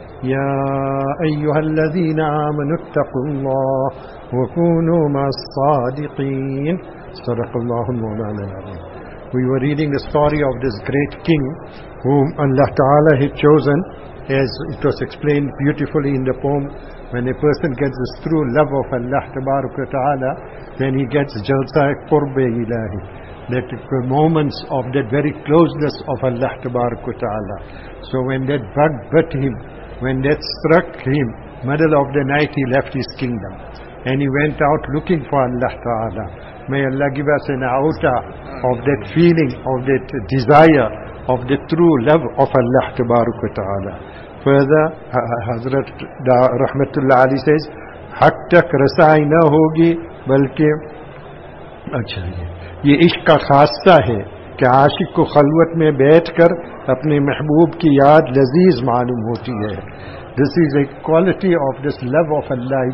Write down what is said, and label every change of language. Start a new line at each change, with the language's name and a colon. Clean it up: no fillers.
Arabic: يا أيها الذين آمنوا اتقوا الله وكونوا مع الصادقين. صدق الله مولانا العظيم.
English: We were reading the story of this great king whom Allah Ta'ala had chosen, as it was explained beautifully in the poem. When a person gets this true love of Allah Tabaraka Ta'ala, then he gets Jalsa'i Qurbi Ilahi, that moments of that very closeness of Allah Tabaraka Ta'ala. So when that bug bit him, when that struck him, middle of the night, he left his kingdom. And he went out looking for Allah Ta'ala. May Allah give us an auta of that feeling, of that desire, of the true love of Allah Tabaraka Ta'ala. Further, Hazrat Rahmatullah Ali says,
Urdu: حق تک رسائی نہ ہوگی بلکہ اچھا یہ عشق کا خاصہ ہے کہ عاشق کو خلوت میں بیٹھ کر اپنے محبوب کی یاد لذیذ معلوم ہوتی ہے.
English: This is a quality of this love of Allah.